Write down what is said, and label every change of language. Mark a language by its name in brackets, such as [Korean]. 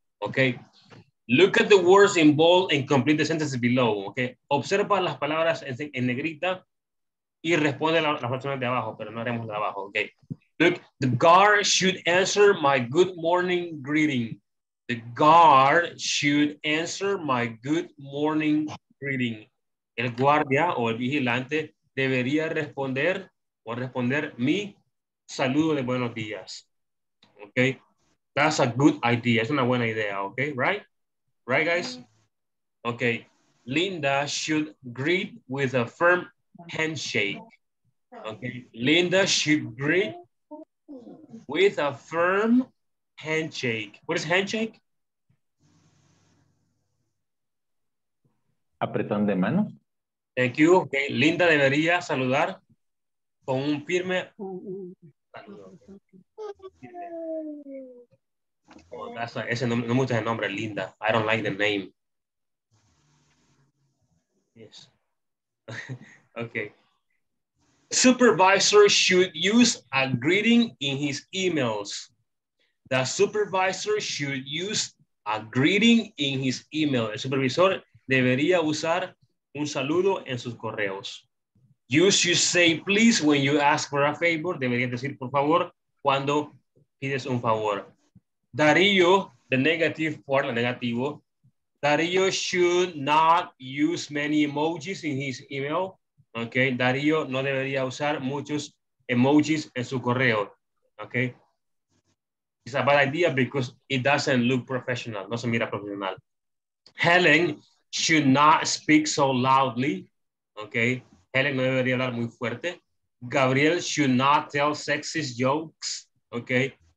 [English] Okay, look at the words involved and complete the sentences below. [Spanish] Okay, observa las palabras en negrita y responde las personas de abajo, pero no haremos de abajo. [English] Okay, look, the guard should answer my good morning greeting. The guard should answer my good morning greeting. [Spanish] El guardia o el vigilante debería responder o responder mi saludo de buenos días. [English] Okay, that's a good idea. Es una buena idea. Okay, right? Right, guys? Okay, Linda should greet with a firm handshake. Okay, Linda should greet with a firm handshake. What is handshake? [Spanish] Apretón de mano. Thank you. Okay. Linda debería saludar con un firme. [English] Oh, that's a, ese no, no me gusta el nombre, Linda. I don't like the name. Yes. Okay. Supervisor should use a greeting in his emails. The supervisor should use a greeting in his email. [Spanish] El supervisor debería usar un saludo en sus correos. [English] You should say please when you ask for a favor. [Spanish] Deberías decir por favor cuando pides un favor. [English] Darío, the negative part, el negativo. Darío should not use many emojis in his email. [Spanish] Okay, Darío no debería usar muchos emojis en su correo. [English] Okay. It's a bad idea because it doesn't look professional. No se mira profesional. Helen should not speak so loudly. Okay. Helen no debería hablar muy fuerte. Gabriel should not tell sexist jokes. Okay.